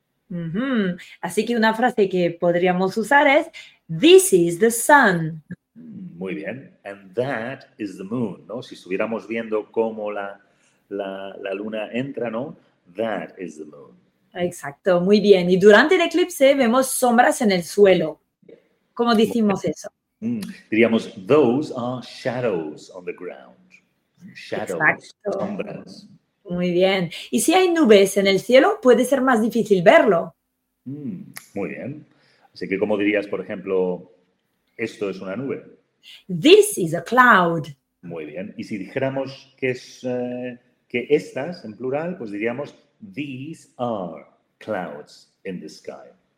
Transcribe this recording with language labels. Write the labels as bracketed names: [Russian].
[Spanish] Mm-hmm. Así que una frase que podríamos usar es [English] this is the sun. [Spanish] Muy bien. [English] And that is the moon, ¿no? [Spanish] Si estuviéramos viendo cómo la luna entra, ¿no? [English] That is the moon. [Spanish] Exacto. Muy bien. Y durante el eclipse vemos sombras en el suelo. ¿Cómo decimos eso? Mm. Diríamos [English] those are shadows on the ground. [Spanish] Shadows, sombras. Muy bien. ¿Y si hay nubes en el cielo, puede ser más difícil verlo? Mm, muy bien. Así que, ¿cómo dirías, por ejemplo, esto es una nube? [English] This is a cloud. [Spanish] Muy bien. Y si dijéramos que estas, en plural, pues diríamos [English] these are clouds in the sky.